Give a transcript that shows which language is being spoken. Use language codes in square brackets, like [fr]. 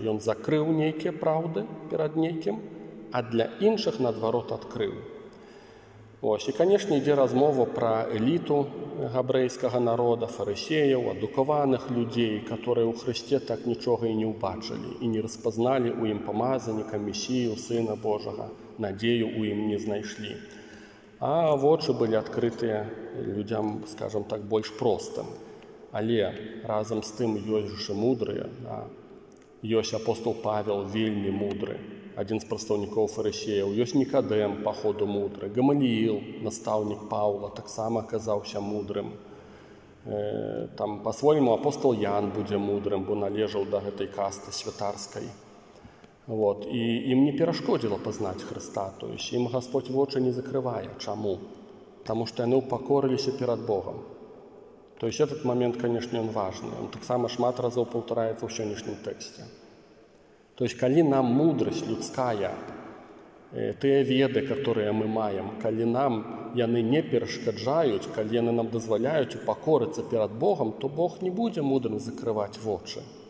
[ru] И он закрыл некие правды перед неким, а для інших, наоборот, открыл. Ось. И, конечно, идет размова про элиту габрейского народа, фарисеев, адукованных людей, которые у Христе так ничего и не убачили, и не распознали у им помазанника, Мессию, Сына Божьего, [be] надзею ў ім не знайшлі. А вочы былі адкрытыя людзям, скажам так, больш простым. Але разам з тым ёсць жа мудрыя. Да? Ёсць апостол Павел, вельмі мудры, адзін з прадстаўнікоў фарысеяў. Ёсць Нікадэм, па ходу мудры. Гамаліел, настаўнік Паўла, таксама казаўся мудрым. Там па-свойму апостол Ян будзе мудрым, бо належаў да гэтай касты святарскай. Вот. І ім не перашкодзіла пазнаць Хрыста, то есть ім Господь вочы не закрывае. Чаму? Таму што яны ўпакорыліся перад Богам. [ru] То есть этот момент, канешне, [be] ён важны. Ён таксама шмат разоў паўтараецца ў сённяшнім тэксце. То есть калі нам мудрасць людская, тыя веды, [ru] которые [be] мы маем, калі нам яны не перашкаджаюць, калі яны нам дазваляюць упакорыцца перад Богам, то Бог не будзе мудрым закрываць вочы.